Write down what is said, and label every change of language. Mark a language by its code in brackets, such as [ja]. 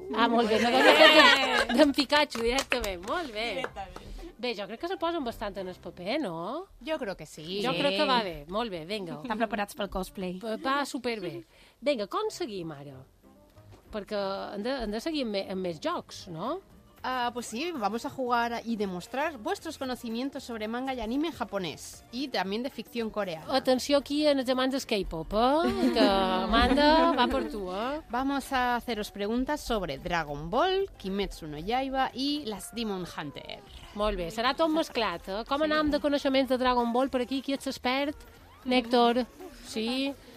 [ca] Ah, molt bé. D'en Pikachu, directament. Molt bé. Directament. Bé, jo crec que se posen bastant en el paper, no? Jo crec que sí. Jo crec que va bé. Molt bé, vinga. Estan preparats pel cosplay. Va superbé. Vinga, com seguim ara? Perquè hem de seguir amb més jocs, no? [es] Pues sí, vamos a jugar y demostrar vuestros conocimientos sobre manga y anime japonés y también de ficción coreana. [ca] Atenció aquí en els amants del K-pop, [es] que Amanda va por tu, Vamos a haceros preguntas sobre Dragon Ball, Kimetsu no Yaiba y las Demon Hunter. [ca] Molt bé, serà tot mesclat, eh? Com anam de coneixements de Dragon Ball per aquí? Qui ets expert? Néctor? Sí?